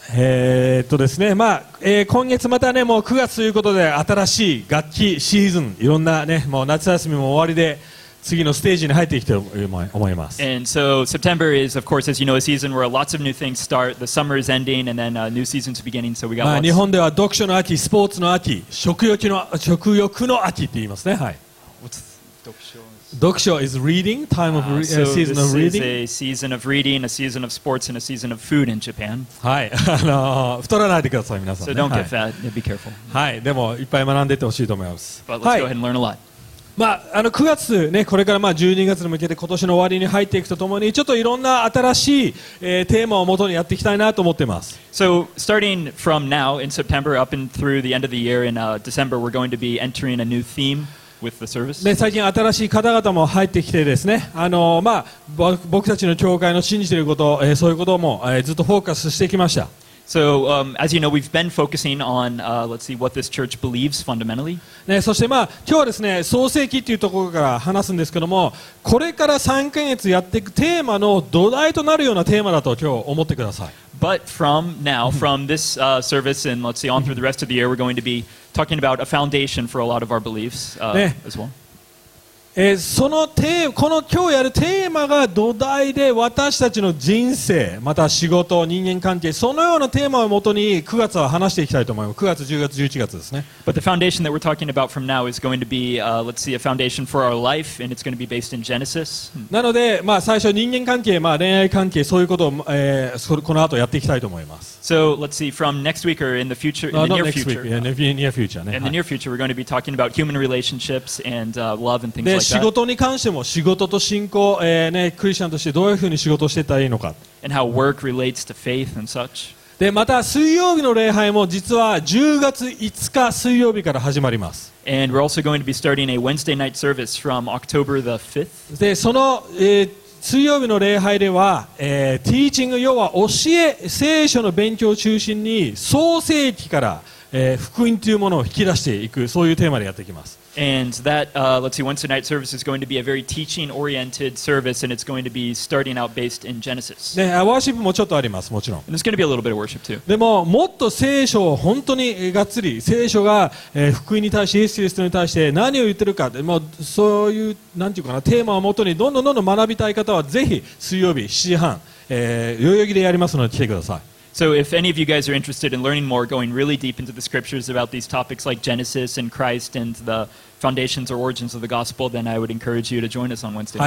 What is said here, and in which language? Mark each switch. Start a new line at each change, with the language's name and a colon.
Japanese: ですね、まあ今月またねもう9月ということで新しい楽器シーズン、いろんなねもう夏休みも終わりで次のステージに入っていきたいと思います。
English: And so September is, of course, as you know, a season where lots of new things start. The summer is ending, and then a new season's beginning. So we got.
Japanese: 日本では読書の秋、スポーツの秋、食欲の秋って言いますね。はい。 Doksho
English: is reading, time of season of reading. So this is a season of reading, a season of sports, and a season of food in Japan.
Japanese: はい、太らないでください、皆さん、ね。
English: So don't get fat. Be careful.
Japanese: はい、でもいっぱい学んでてほしいと思います。
English: But let's go ahead and learn a lot.
Japanese: まあ、9月、ね、これからまあ12月に向けて今年の終わりに入っていくとともにちょっといろんな新しい、テーマをもとにやっていきたいなと思っています。
English: So starting from now in September up and through the end of the year in December we're going to be entering a new theme with the service、
Japanese: ね、最近新しい方々も入ってきてですね、まあ、僕たちの教会の信じていること、そういうことも、ずっとフォーカスしてきました。
English: So, as you know, we've been focusing on, let's see, what this church believes fundamentally.、
Japanese: ね、そして、まあ、今日はですね、創世記というところから話すんですけども、これから3ヶ月やっていくテーマの土台となるようなテーマだと今日思ってください。
English: But from now, from this, service and let's see, on through the rest of the year, we're going to be talking about a foundation for a lot of our beliefs, ね、as well.
Japanese: そのテーマ、この今日やるテーマが土台で私たちの人生、また仕事、人間関係、そのようなテーマをもとに9月は話していきたいと思います。9月、10月、11月ですね。
English: But the foundation that we're talking about from now is going to be, let's see, a foundation for our life, and it's going to be based in Genesis.
Japanese: なので、まあ、最初人間関係、まあ、恋愛関係、そういうことを、この後やっていきたいと思います。
English: So, let's see, from next week or in the future, in the near future. Not next week, yeah, near future. In the near future, we're going to be talking about human relationships and love and things like that.
Japanese: 仕事に関しても、仕事と信仰、ね、クリスチャンとしてどういうふうに仕事をしていったらいいのか。
English: And how work relates to faith and such.
Japanese: で、また水曜日の礼拝も実は10月5日水曜日から始まります。
English: And we're also going to be starting a Wednesday night service from October the 5th.
Japanese: で、その、水曜日の礼拝では、ティーチング要は教え聖書の勉強を中心に創世記から、福音というものを引き出していくそういうテーマでやっていきます。
English: And that, let's see, Wednesday night service is going to be a very teaching oriented service and it's going to be starting out based in Genesis、
Japanese: ね、ワーシップもちょっとあります、もちろん。
English: And it's going to be a little bit of worship too.
Japanese: でももっと聖書を本当にがっつり聖書が、福音に対してイエス・キリストに対して何を言ってるか、でもそういうなんていうかなテーマをもとにどんどんどんどん学びたい方はぜひ水曜日7時半、代々木でやりますので来てください。
English: So if any of you guys are interested in learning more, going really deep into the scriptures about these topics like Genesis and Christ and the foundations or origins of the gospel, then I would encourage you to join us on Wednesday.